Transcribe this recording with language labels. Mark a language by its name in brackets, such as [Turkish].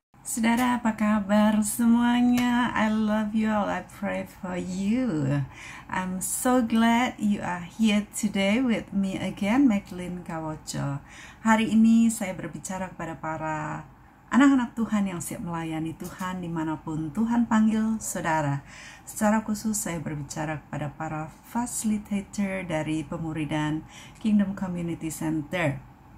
[Indonesian] Saudara, apa kabar semuanya? [English] I love you all. I pray for you. I'm so glad you are here today with me again, Madeline Caucho. [Indonesian] Hari ini saya berbicara kepada para anak-anak Tuhan yang siap melayani Tuhan dimanapun Tuhan panggil saudara. Secara khusus saya berbicara kepada para facilitator dari pemuridan Kingdom Community Center.